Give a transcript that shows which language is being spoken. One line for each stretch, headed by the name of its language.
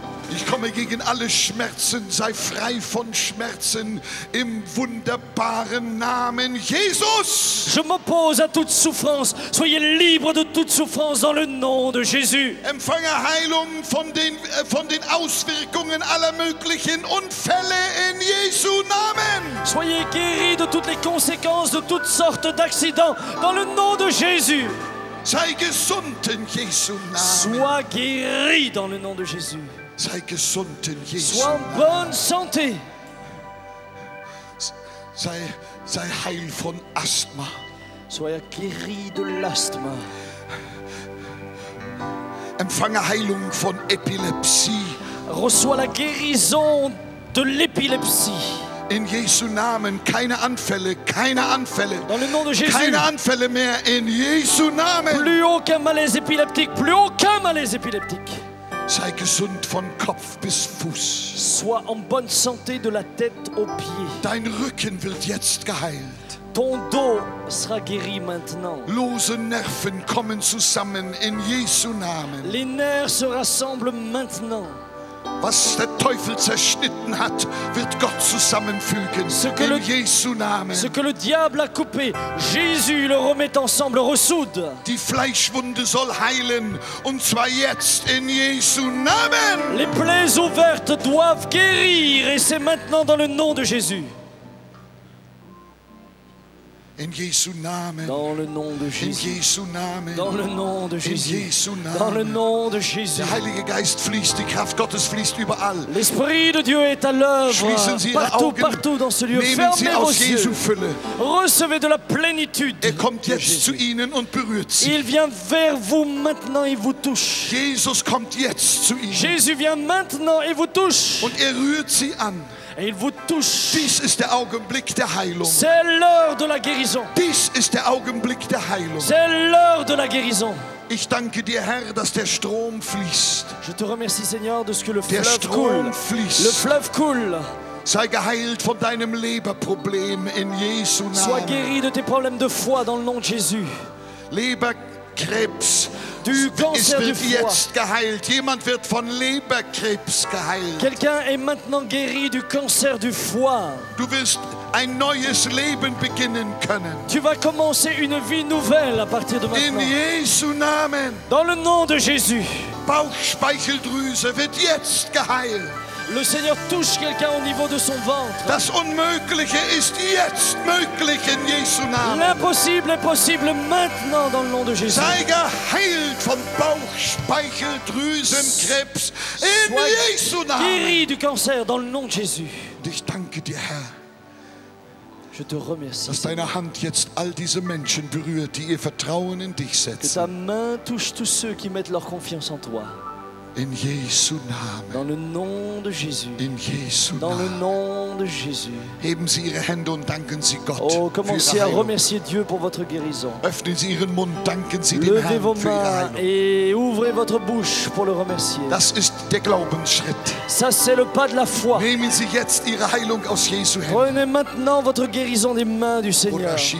German: Ich komme gegen alle Schmerzen, sei frei von Schmerzen im wunderbaren Namen Jesus.
French: Je m'oppose à toute souffrance, soyez libre de toute souffrance dans le nom de Jésus.
German: Empfange Heilung von den Auswirkungen aller möglichen Unfälle in Jesu Namen.
French: Soyez guéri de toutes les conséquences de toutes sortes d'accidents dans le nom de Jésus.
German: Sei gesund in Jesu Namen.
French: Sois guéri dans le nom de Jésus.
German: Sei gesund in Jesu Namen.
French: Sois en bonne santé.
German: Sei heil von Asthma.
French: Sois guéri de l'asthme.
German: Empfange Heilung von Epilepsie.
French: Reçois la guérison de l'épilepsie.
German: In Jesu Namen, keine Anfälle, keine Anfälle.
French: Dans le nom de Jésus.
German: Keine Anfälle mehr in Jesu Namen.
French: Plus aucun malaise épileptique, plus aucun malaise épileptique.
German: Sei gesund von Kopf bis Fuß.
French: Sois en bonne santé de la tête aux pieds.
German: Dein Rücken wird jetzt geheilt.
French: Ton dos sera guéri maintenant.
German: Lose Nerven kommen zusammen in Jesu Namen.
French: Les nerfs se rassemblent maintenant.
German: Was der Teufel zerschnitten hat, wird Gott zusammenfügen in Jesu Namen.
French: Ce que le diable a coupé, Jésus le remet ensemble, ressoude.
German: Die Fleischwunde soll heilen, und zwar jetzt in Jesu Namen.
French: Les plaies ouvertes doivent guérir, et c'est maintenant dans le nom de Jésus.
German: In Jesu Namen.
French: Dans le nom de Jésus.
German: In Jesu Namen.
French: Dans le nom de Jésus.
German: In Jesu Namen.
French: Dans le nom de Jésus.
German: Der Heilige Geist fließt, die Kraft Gottes fließt überall.
French: L'Esprit de Dieu est à l'œuvre. Partout dans ce lieu.
German: Nehmen Sie aus Jesu Fülle.
French: Recevez de la plénitude.
German: Er kommt jetzt zu Ihnen und berührt Sie.
French: Il vient vers vous maintenant et vous touche.
German: Jesus kommt jetzt zu Ihnen.
French: Jésus vient maintenant et vous touche.
German: Und er rührt Sie an.
French: Et il vous touche.
German: Dies ist der Augenblick der Heilung.
French: C'est l'heure de la guérison.
German: Dies ist der Augenblick der Heilung.
French: C'est l'heure de la guérison.
German: Ich danke dir, Herr, dass der Strom fließt.
French: Je te remercie, Seigneur, de ce que le
German: der
French: fleuve
German: Strom
French: coule.
German: Fließt.
French: Le fleuve coule.
German: Sei geheilt von deinem Leberproblem in Jesu Namen.
French: Sois guéri de tes problèmes de foi dans le nom de Jésus.
German: Leberkrebs.
French: du Cancer du foie.
German: Jetzt geheilt. Jemand wird von Leberkrebs geheilt.
French: Quelqu'un est maintenant guéri du cancer du foie.
German: Du wirst ein neues Leben beginnen können.
French: Tu vas commencer une vie nouvelle à partir de maintenant.
German: In Jesu Namen.
French: Dans le nom de Jésus.
German: Bauchspeicheldrüse wird jetzt geheilt.
French: Le Seigneur touche quelqu'un au niveau de son ventre.
German: Das Unmögliche ist jetzt möglich in Jesu Namen.
French: L'impossible est possible maintenant dans le nom de Jésus.
German: Sei geheilt von Bauchspeicheldrüsenkrebs in Jesu Namen.
French: Guéri du cancer dans le nom de Jésus.
German: Und ich danke dir, Herr.
French: Je te remercie,
German: dass deine Hand jetzt all diese Menschen berührt, die ihr Vertrauen in dich setzen.
French: Que ta main touche tous ceux qui mettent leur confiance en toi.
German: In Jesu Namen.
French: Dans le nom de Jésus.
German: In Jesu
French: Dans
German: Namen.
French: Le nom de Jésus.
German: Heben Sie Ihre Hände und danken Sie Gott.
French: Oh, commencez à remercier Dieu pour votre guérison.
German: Öffnen Sie Ihren Mund, danken Sie dem Herrn für Ihre Heilung.
French: Et ouvrez votre bouche pour le remercier.
German: Das ist der Glaubensschritt.
French: Ça, c'est le pas de la foi.
German: Nehmen Sie jetzt Ihre Heilung aus Jesu Händen.
French: Prenez maintenant votre guérison des mains du Seigneur.